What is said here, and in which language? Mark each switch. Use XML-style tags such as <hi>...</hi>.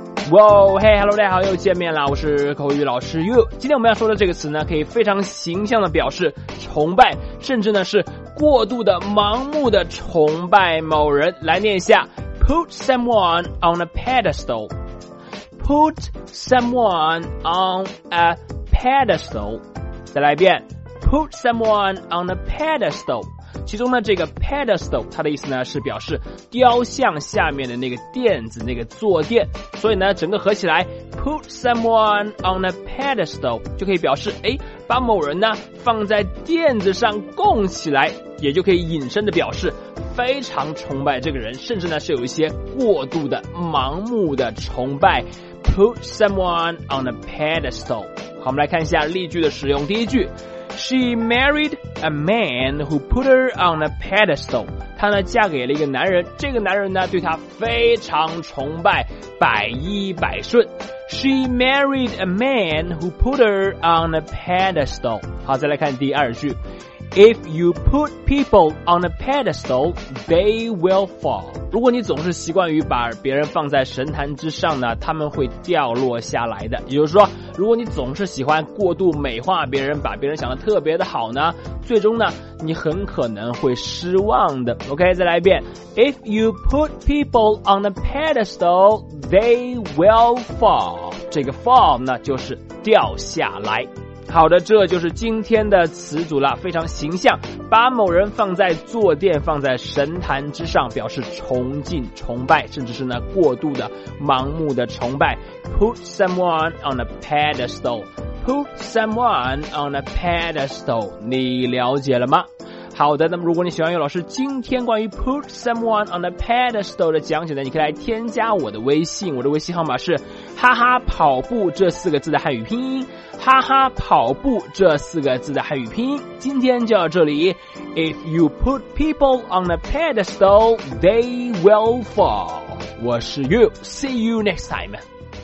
<zh>哇哦，嘿哈喽，大家好，又见面了，我是口语老师 You。今天我们要说的这个词呢，可以非常形象的表示崇拜，甚至呢是过度的盲目的崇拜某人。来念一下，</zh> <en>Put someone on a pedestal. Put someone on a pedestal.</en> <zh>再来一遍，</zh> <en>Put someone on a pedestal.</en> <zh>其中呢，这个 pedestal 它的意思呢是表示雕像下面的那个垫子，那个坐垫。所以呢，整个合起来</zh> <en>put someone on a pedestal</en> <zh>就可以表示，哎，把某人呢放在垫子上供起来，也就可以引申的表示非常崇拜这个人，甚至呢是有一些过度的盲目的崇拜。</zh> <en>put someone on a pedestal。</en> <zh>好，我们来看一下例句的使用。第一句，</zh> <en>She married a man who put her on a pedestal.</en> <zh>她呢嫁给了一个男人，这个男人呢对她非常崇拜，百依百顺。</zh> <en>She married a man who put her on a pedestal.</en> <zh>好，再来看第二句。</zh> <en>If you put people on a pedestal, they will fall.</en> <zh>如果你总是习惯于把别人放在神坛之上呢，他们会掉落下来的。也就是说，如果你总是喜欢过度美化别人，把别人想得特别的好呢，最终呢，你很可能会失望的。 OK, 再来一遍。</zh> <en>If you put people on a pedestal, they will fall.</en> <zh>这个 fall 呢，就是掉下来。好的，这就是今天的词组了，非常形象，把某人放在坐垫，放在神坛之上，表示崇敬崇拜，甚至是呢过度的盲目的崇拜。</zh> <en>Put someone on a pedestal. Put someone on a pedestal.</en> <zh>你了解了吗？好的，那么如果你喜欢岳老师今天关于</zh> <en>put someone on a pedestal</en> <zh>的讲解呢，你可以来添加我的微信，我的微信号码是哈哈跑步这四个字的汉语拼音，哈哈跑步这四个字的汉语拼音。今天就到这里，</zh> <en>If you put people on a pedestal, they will fall.</en> <zh>我是</zh> <en>You, see you next time.</en>